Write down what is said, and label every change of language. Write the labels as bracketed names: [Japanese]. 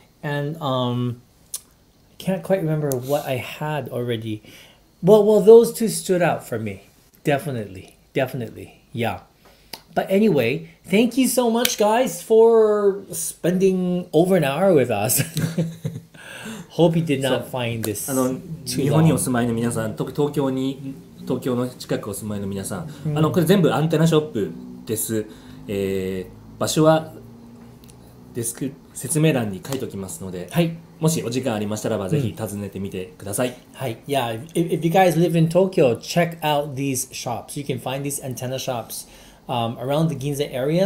[English] And I can't quite remember what I had already. Well, those two stood out for me. Definitely, definitely, yeah. But anyway, thank you so much, guys, for spending over an hour with us. Hope you did not find this too long. [Japanese] 日本にお住まいの皆さん、東京の近くお住まいの皆さん、これ全部アンテナショップです。場所はデスク説明欄に書いておきますので、はい、もしお時間ありましたらばぜひ訪ねてみてください。はい。 [English] Yeah, if you guys live in Tokyo, check out these shops. You can find these antenna shops around the Ginza area.